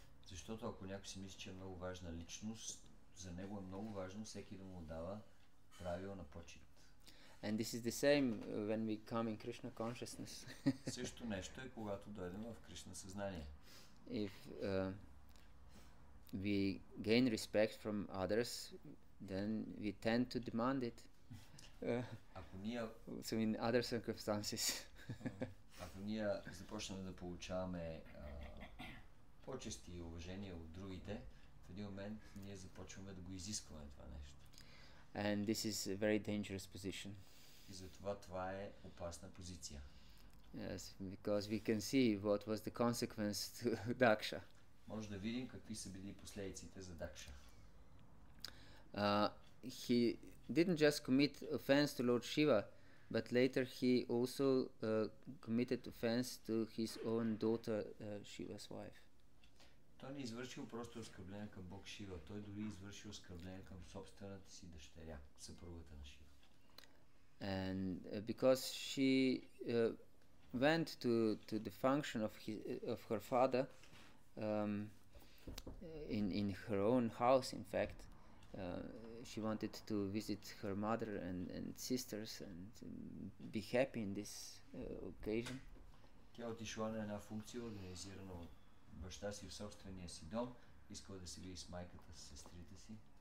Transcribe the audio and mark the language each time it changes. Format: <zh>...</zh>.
<bg>Защото ако някой си мисли, че е много важна личност, за него е много важно всеки да му дава правилна почет.</bg> <en>And this is the same when we come in Krishna consciousness.</en> <bg>Също нещо е когато дойдем в Кришна съзнание.</bg> <en>If we gain respect from others, then we tend to demand it.</en> <bg>Ако ние</bg> <en>so in other circumstances.</en> <bg>Ако ние започнем да получаваме почести и уважение от другите, в един момент ние започваме да го изискваме това нещо.</bg> <en>And this is a very dangerous position.</en> <bg>И затова това е опасна позиция.</bg> <en>Yes, because we can see what was the consequence to Daksha.</en> <bg>Може да видим какви са били последиците за Daksha.</bg> <en>He didn't just commit offense to Lord Shiva, but later he also committed offense to his own daughter, Shiva's wife.</en> <bg>Той не извършил просто оскърбление към Бог Шива, той дори извършил оскърбление към собствената си дъщеря, съпругата на Шива.</bg> <en>And because she went to the function of her father in her own house, in fact, she wanted to visit her mother and sisters and be happy in this occasion.</en> <bg>Тя отишла на една функция, организирана от баща си в собствения си дом, искала да се види с майката, с сестрите си.</bg>